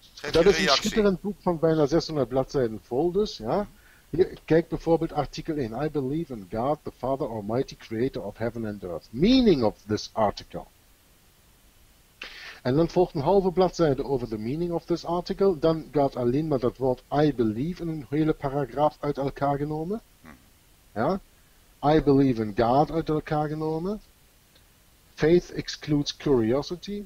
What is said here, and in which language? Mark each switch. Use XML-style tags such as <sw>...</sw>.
<nl>Dat is een schitterend boek van bijna 600 bladzijden vol dus, ja. Hier, kijk bijvoorbeeld artikel 1.</nl> <en>I believe in God, the Father, almighty creator of heaven and earth. Meaning of this article.</en> <nl>En dan volgt een halve bladzijde over</nl> <en>the meaning of this article.</en> <nl>Dan gaat alleen maar dat woord</nl> <en>I believe</en> <nl>in een hele paragraaf uit elkaar genomen. Ja.</nl> <en>I believe in God</en> <nl>uit elkaar genomen.</nl> <en>Faith excludes curiosity.</en>